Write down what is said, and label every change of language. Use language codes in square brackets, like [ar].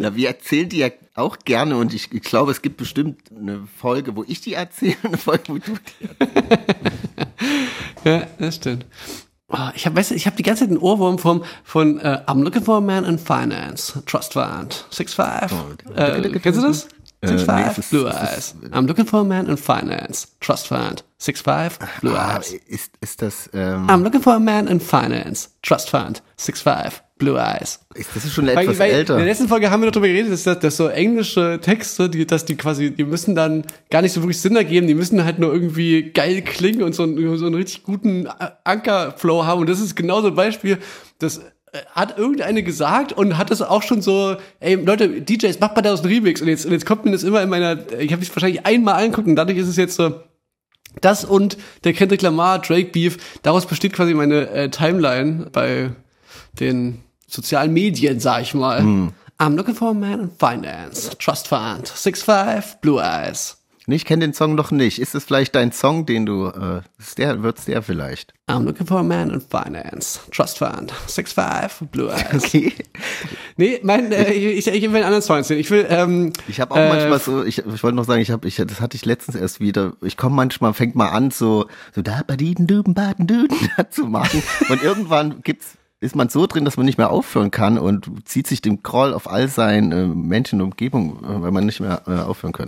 [de] Ja, wir erzählen die ja auch gerne und ich glaube, es gibt bestimmt eine Folge, wo ich die erzähle und eine Folge, wo du die erzählst. Ja, das stimmt. Ich hab die ganze Zeit einen Ohrwurm von [en] I'm looking for a man in finance, trust fund, 6'5". [de] Kennst du das? 6'5", [en] blue eyes. I'm looking for a man in finance, trust fund, 6'5", blue eyes. [de] Ist das, [en] I'm looking for a man in finance, trust fund, 6'5", blue eyes. [de] Das ist schon etwas älter. In der letzten Folge haben wir noch drüber geredet, dass so englische Texte, die müssen dann gar nicht so wirklich Sinn ergeben, die müssen halt nur irgendwie geil klingen und so einen richtig guten Ankerflow haben. Und das ist genau so ein Beispiel, dass hat irgendeine gesagt und hat es auch schon so, ey, Leute, DJs, macht mal daraus einen Remix. Und jetzt kommt mir das immer in meiner, ich habe mich wahrscheinlich einmal angeguckt und dadurch ist es jetzt so, das und der Kendrick Lamar, Drake Beef, daraus besteht quasi meine Timeline bei den sozialen Medien, sag ich mal. Hm. [en] I'm looking for a man in finance, trust fund, 6'5", blue eyes. [de] Nee, ich kenne den Song noch nicht. Ist es vielleicht dein Song, den du, wird's der vielleicht? [en] I'm looking for a man in finance, trust fund, 6'5", blue eyes. [de] Okay. Nee, ich will einen anderen Song erzählen. Ich habe auch manchmal so, ich wollte noch sagen, das hatte ich letztens erst wieder, ich komme manchmal, fängt mal an, so da badiden düben baden düden zu machen und irgendwann ist man so drin, dass man nicht mehr aufhören kann und zieht sich den Groll auf all seinen Menschen und Umgebung, weil man nicht mehr aufhören kann.